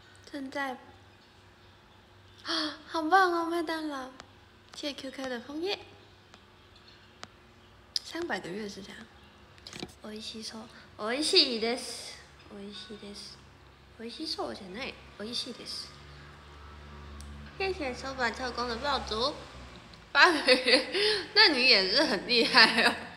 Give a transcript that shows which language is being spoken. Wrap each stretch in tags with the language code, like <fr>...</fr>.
<zh>正在啊，好棒哦，麦当劳！谢谢 QK 的枫叶，300个月是这样。</zh> <ja>おいしそう，おいしいです，おいしいです，おいしそうじゃない，おいしいです。</ja> <zh>谢谢收板特工的爆竹，8个月，那你也是很厉害哦。</zh>